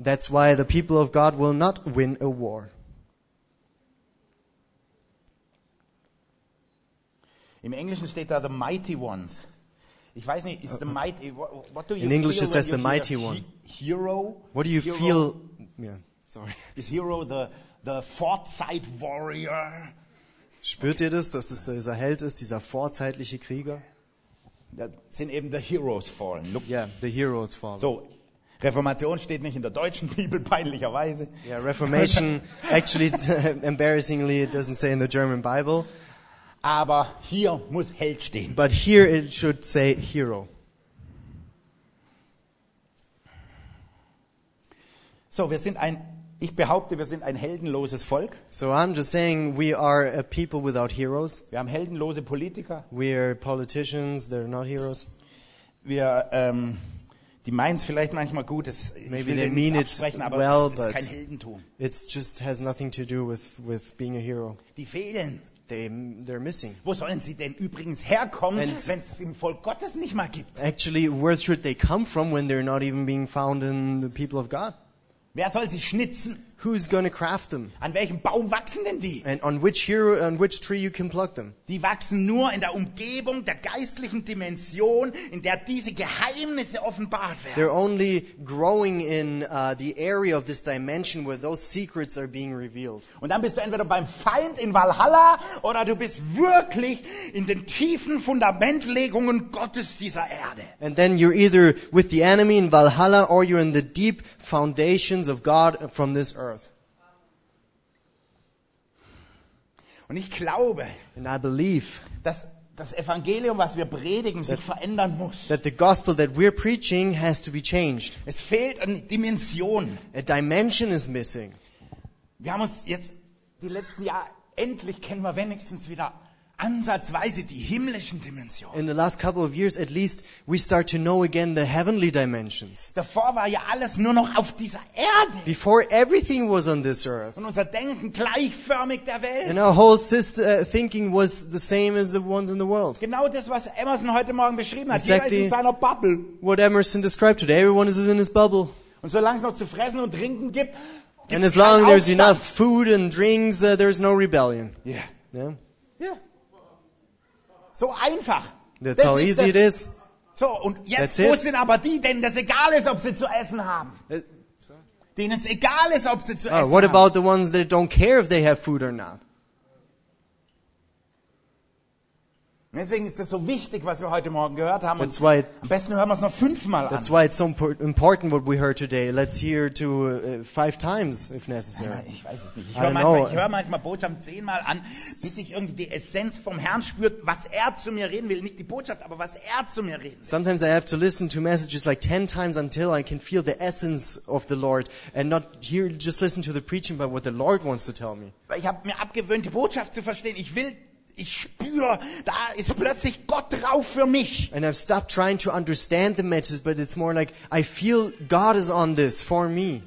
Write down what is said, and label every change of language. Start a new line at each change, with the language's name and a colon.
English: That's why the people of God will not win a war.
German: Im Englischen steht da
English: the mighty ones.
German: Ich weiß nicht, ist
English: the mighty. What do you in English it says the mighty one. Hero. What do you hero? Feel? Yeah, sorry. Is hero the foresight warrior?
German: Spürt ihr das, dass das dieser Held ist, dieser vorzeitliche Krieger? Da sind eben
English: the heroes fallen. Look. Yeah, the heroes fallen.
German: So, Reformation steht nicht in der deutschen Bibel, peinlicherweise.
English: Yeah, Reformation, actually, embarrassingly, it doesn't say in the German Bible.
German: Aber hier muss Held stehen.
English: But here it should say hero.
German: So, ich behaupte, wir sind ein heldenloses Volk.
English: So I'm just saying we are a people without heroes.
German: Wir haben heldenlose Politiker.
English: We are politicians, they're not heroes.
German: Wir, die meinen es vielleicht manchmal gut, es
English: maybe they mean it well,
German: aber es
English: but
German: ist kein Heldentum.
English: It just has nothing to do with being a hero.
German: Die fehlen.
English: They're missing.
German: Wo sollen sie denn übrigens herkommen, wenn es im Volk Gottes nicht mal gibt?
English: Actually, where should they come from when they're not even being found in the people of God?
German: Wer soll sie schnitzen?
English: Who's gonna craft them?
German: An welchem Baum wachsen denn die?
English: And on which hero, on which tree you can pluck them?
German: Die wachsen nur in der Umgebung der geistlichen Dimension, in der diese Geheimnisse offenbart werden.
English: They're only growing in the area of this dimension where those secrets are being revealed.
German: Und dann bist du entweder beim Feind in Valhalla oder du bist wirklich in den tiefen Fundamentlegungen Gottes dieser Erde.
English: And then you're either with the enemy in Valhalla or you're in the deep foundations of God from this earth.
German: Und ich glaube,
English: and I believe,
German: dass das Evangelium, was wir predigen, sich verändern muss.
English: That the gospel that we're preaching has to be changed.
German: Es fehlt eine Dimension.
English: A dimension is missing.
German: Wir haben uns jetzt die letzten Jahre endlich kennen wir wenigstens wieder ansatzweise die himmlischen Dimensionen.
English: In the last couple of years at least we start to know again the heavenly dimensions.
German: Davor war ja alles nur noch auf dieser Erde.
English: Before everything was on this earth.
German: Und unser Denken gleichförmig der Welt.
English: And our whole system, thinking was the same as the ones in the world.
German: Genau das, was Emerson heute Morgen beschrieben hat. Jeder ist in seiner Bubble.
English: What Emerson described today, everyone is in his bubble.
German: Und solange es noch zu fressen und trinken gibt,
English: and as long as there's enough food and drinks, there's no rebellion. Yeah. Yeah.
German: Yeah. So einfach.
English: That's how easy it is.
German: So, und jetzt, wo sind aber die, denen das egal ist, ob sie zu essen haben? Denen es egal ist, ob sie zu essen haben.
English: What about the ones that don't care if they have food or not?
German: Deswegen ist es so wichtig, was wir heute Morgen gehört haben.
English: That's why,
German: am besten hören wir es noch fünfmal an.
English: That's why it's so important what we heard today. Let's hear it to five times if necessary.
German: Ich weiß es nicht. Ich höre manchmal Botschaften zehnmal an, bis ich irgendwie die Essenz vom Herrn spürt, was er zu mir reden will. Nicht die Botschaft, aber was er zu mir reden will.
English: Sometimes I have to listen to messages like 10 times until I can feel the essence of the Lord and not hear, just listen to the preaching but what the Lord wants to tell me.
German: Weil ich habe mir abgewöhnt, die Botschaft zu verstehen. Ich spüre, da ist plötzlich Gott drauf für mich.
English: And I've stopped trying to understand the message, but it's more like I feel God is on this for me.